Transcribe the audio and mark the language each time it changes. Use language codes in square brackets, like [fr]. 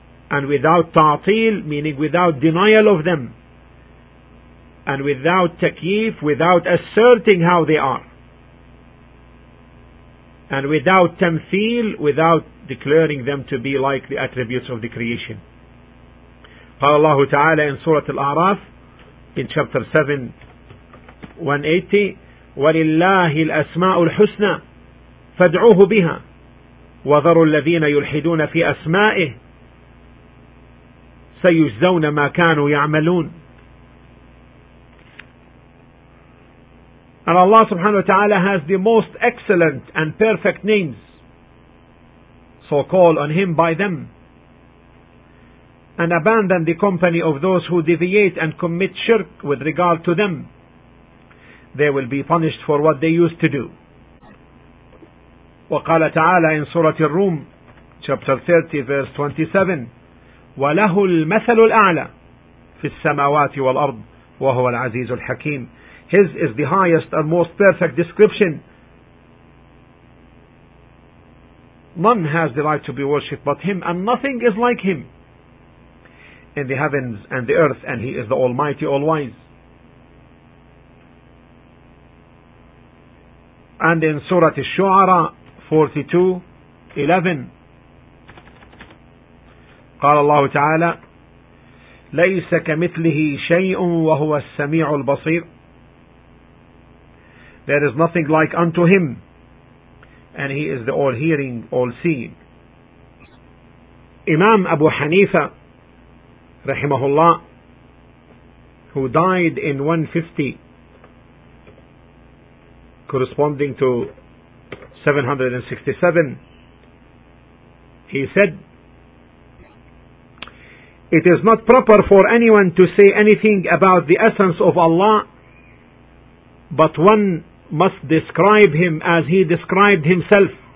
[en] And without ta'til, meaning without denial of them. And without takyif, without asserting how they are. And without tamthil, without declaring them to be like the attributes of the creation. [ar] قال الله تعالى [en] in Surah Al-A'raf, in chapter 7, 180, [ar] وَلِلَّهِ الْأَسْمَاءُ الْحُسْنَى فَادْعُوهُ بِهَا وَذَرُوا الَّذِينَ يُلْحِدُونَ فِي أَسْمَائِهِ سَيُجْزَوْنَ مَا كَانُوا يَعْمَلُونَ. [en] And Allah subhanahu wa ta'ala has the most excellent and perfect names, so call on him by them and abandon the company of those who deviate and commit shirk with regard to them. They will be punished for what they used to do. [ar] وقال تعالى [en] in Surah Al-Rum, chapter 30, verse 27, [ar] وَلَهُ الْمَثَلُ الْأَعْلَى فِي السَّمَاوَاتِ وَالْأَرْضِ وَهُوَ الْعَزِيزُ الْحَكِيمُ. [en] His is the highest and most perfect description. None has the right to be worshipped but him, and nothing is like him in the heavens and the earth, and he is the Almighty, All-Wise. And in Surah Al-Shu'ara, 42:11, [ar] قال الله تعالى ليس كمثله شيء وهو السميع البصير. [en] There is nothing like unto him, and he is the all-hearing, all-seeing. Imam Abu Hanifa rahimahullah, who died in 150, corresponding to 767, he said, it is not proper for anyone to say anything about the essence of Allah, but one must describe him as he described himself.